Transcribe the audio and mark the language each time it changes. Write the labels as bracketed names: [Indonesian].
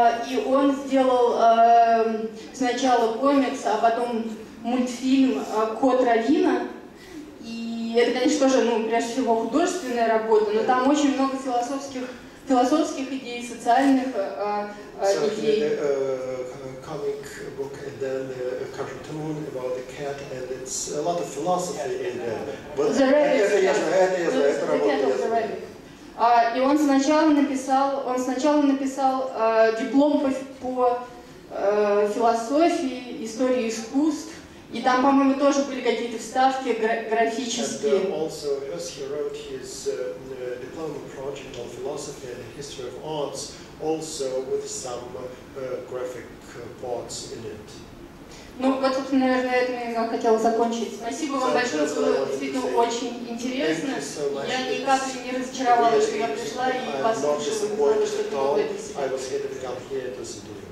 [Russian] И он сделал сначала комикс, а потом мультфильм «Кот Равина». И это, конечно, тоже, прежде всего, художественная работа, но там очень много философских идей, социальных идей. [English] Comic book and then a cartoon about the cat, and it's a lot of philosophy in there. The Rabbit. [Russian] И он сначала написал диплом по философии, истории искусств, и там, по-моему, тоже были какие-то вставки графические. [English] And also, as he wrote his diploma project on philosophy and the history of arts, also with some graphic parts in it. [Russian] Вот, собственно, наверное, это я хотела закончить. Спасибо вам большое, было действительно очень интересно. Я никак не разочаровалась, что я пришла и послушала, что-то новое для себя.